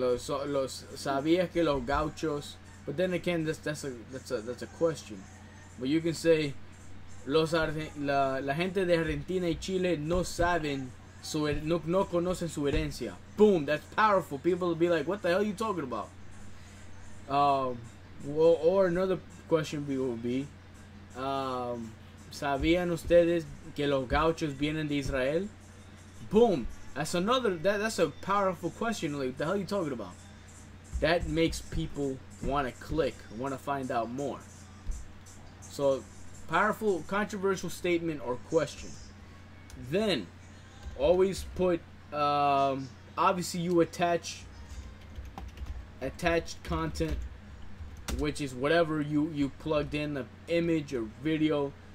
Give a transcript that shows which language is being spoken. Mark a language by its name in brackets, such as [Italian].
[Spanish] Los sabías que los gauchos. [English] But then again, that's a question. But you can say, [Spanish] la gente de Argentina y Chile no saben no conocen su herencia. [English] Boom, that's powerful. People will be like, what the hell are you talking about? Or another question will be, [Spanish] ¿sabían ustedes que los gauchos vienen de Israel? [English] Boom, that's a powerful question. Like, what the hell are you talking about? That makes people want to click, want to find out more. So, powerful, controversial statement or question. Then, always put, obviously you attach content, which is whatever you plugged in, the image or video.